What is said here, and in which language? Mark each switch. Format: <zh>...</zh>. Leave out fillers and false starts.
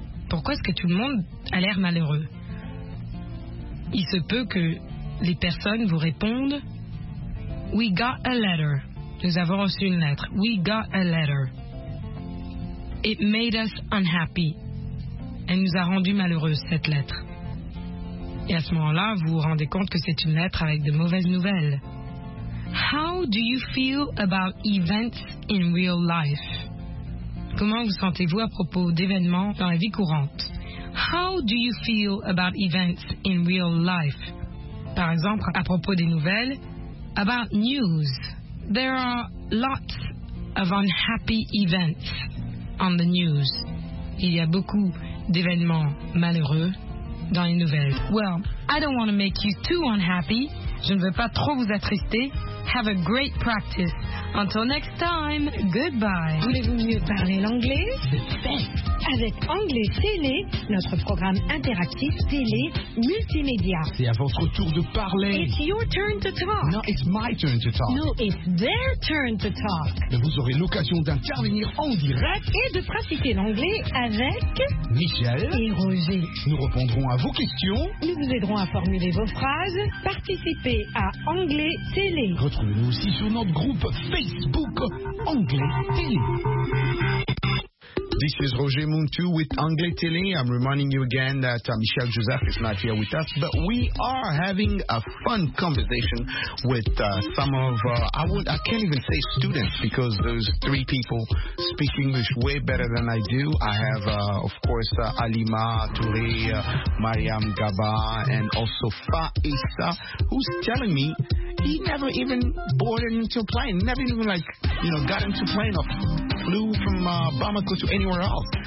<fr>Pourquoi est-ce que tout le monde a l'air malheureux? Il se peut que les personnes vous répondent,</fr> <en>We got a letter.</en> <fr>Nous avons reçu une lettre.</fr> <en>We got a letter. It made us unhappy.</en> <fr>Elle nous a rendu malheureuse, cette lettre. Et à ce moment-là, vous vous rendez compte que c'est une lettre avec de mauvaises nouvelles.</fr> <en>How do you feel about events in real life?</en> <fr>Comment vous sentez-vous à propos d'événements dans la vie courante?</fr> <en>How do you feel about events in real life?</en> <fr>Par exemple, à propos des nouvelles,</fr> <en>about news. There are lots of unhappy events on the news.</en> <fr>Il y a beaucoup d'événements malheureux dans les nouvelles.</fr> <en>Well, I don't want to make you too unhappy.</en> <fr>Je ne veux pas trop vous attrister.</fr> <en>Have a great practice. Until next time, goodbye.</en> <fr>Voulez-vous mieux parler l'anglais? avec Anglais Télé, notre programme interactif télé multimédia. C'est à votre tour de parler.</fr> <en>It's your turn to talk. No, it's my turn to talk. No, it's their turn to talk.</en> <fr>Mais vous aurez l'occasion d'intervenir en direct et de pratiquer l'anglais avec Michel et Roger. Nous répondrons à vos questions. Nous vous aiderons à formuler vos phrases. Participez à Anglais Télé. Retrouvez-nous aussi sur notre groupe Facebook Anglais Télé.</fr> <en>This is Roger Muntou with Anglais Télé. I'm reminding you again that Michel Joseph is not here with us, but we are having a fun conversation with some of, I can't even say students, because those three people speak English way better than I do. I have, of course, Alima Touré, Mariam Gaba, and also Faïssa, who's telling me he never even boarded into a plane, never even, like, you know, got into a plane or flew from Bamako to anywhere else.</en>